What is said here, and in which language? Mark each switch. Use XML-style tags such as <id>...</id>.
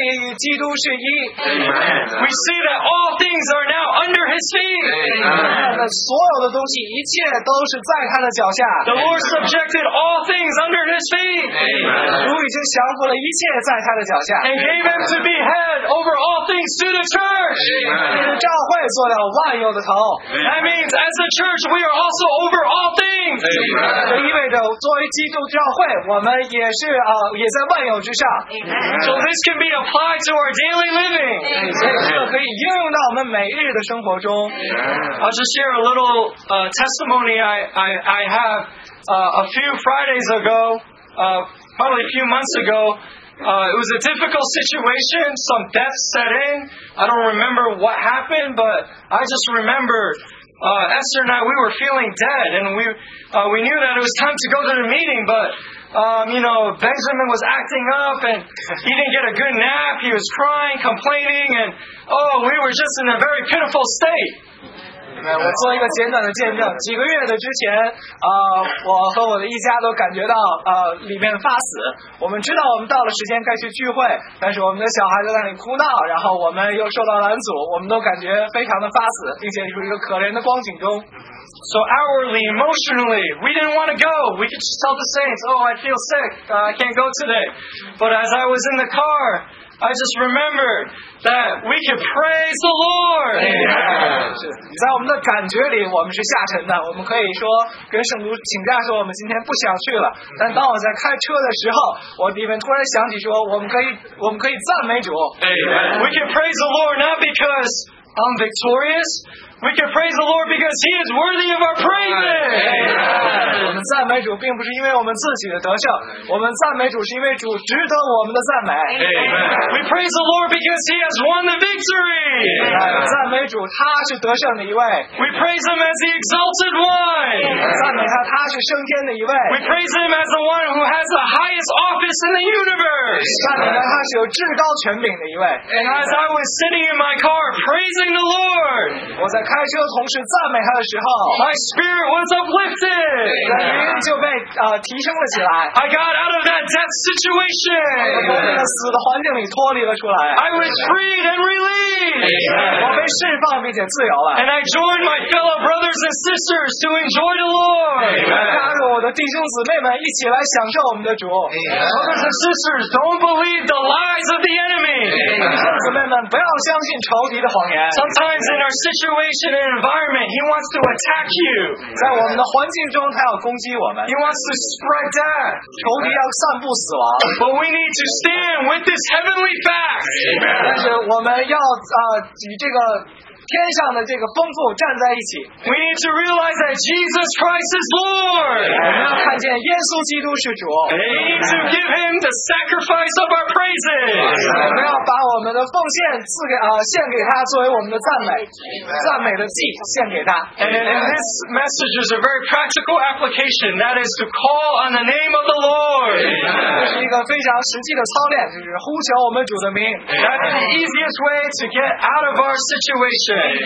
<en>We see that all things are now under His feet.</en> <zh>所有的东西，一切都是在他的脚下。</zh> <en>The Lord subjected all things under His feet.</en> <zh>主已经降服了一切在他的脚下。</zh> <en>And gave Him to be head over all things to the church.</en> <zh>教会做了万有的头。</zh> <en>That means as the church, we are also over all things.</en> <zh>这意味着作为基督教会，我们也是也在万有。</zh> <en>Amen. So this can be applied to our daily living. Amen. I'll just share a little testimony I have. A few Fridays ago, probably a few months ago, it was a difficult situation. Some death set in. I don't remember what happened, but I just remember Esther and I, we were feeling dead, and we knew that it was time to go to the meeting, but you know, Benjamin was acting up and he didn't get a good nap. He was crying, complaining, and oh, we were just in a very pitiful state.</en> <zh>我做一个简短的见证。几个月的之前，我和我的一家都感觉到里面发死。我们知道我们到了时间该去聚会，但是我们的小孩在那里哭闹，然后我们又受到拦阻，我们都感觉非常的发死，并且处于一个可怜的光景中。</zh> <en>So hourly, emotionally, we didn't want to go. We could just tell the saints, "Oh, I feel sick. I can't go today." But as I was in the car, I just remembered that we could praise the Lord. Amen.</en> <zh>在我们的感觉里，我们是下沉的。我们可以说跟圣徒请假说我们今天不想去了。但当我在开车的时候，我里面突然想起说，我们可以赞美主。</zh> <en>Amen. We can praise the Lord not because I'm victorious. We can praise the Lord because He is worthy of our praise.</en> <zh>我们赞美主并不是因为我们自己的得胜，我们赞美主是因为主值得我们的赞美。</zh> <en>We praise the Lord because He has won the victory.</en> <zh>赞美主，他是得胜的一位。</zh> <en>We praise Him as the exalted one.</en> <zh>赞美他，他是升天的一位。</zh> <en>We praise Him as the one who has the highest office in the universe.</en> <zh>赞美他，他是有至高权柄的一位。</zh> <en>And as I was sitting in my car praising the Lord.</en> <zh>我在开车同时赞美他的时候</zh> <en>，My spirit was uplifted. I got out of that death situation. I was freed and released. And I joined my fellow brothers and sisters to enjoy the Lord. Brothers and sisters, don't believe the lies of the enemy. Sometimes in our situation and environment, he wants to attack you. He wants to spread death.</en> <zh>仇敌要散布死亡。</zh> <en>But we need to stand with this heavenly fact.</en> <zh>但是我们要以这个天上的这个丰富站在一起。</zh> <en>We need to realize that Jesus Christ is Lord.</en> <zh>我们要看见耶稣基督是主。</zh> <en>We need to give Him the sacrifice of our praises.</en> <zh>我们要把我们的奉献赐给献给他作为我们的赞美，赞美的祭献给他。</zh> <en>And this message is a very practical application. That is to call on the name of the Lord.</en> <zh>这是一个非常实际的操练，就是呼求我们主的名。</zh> <en>That is the easiest way to get out of our situation.</en>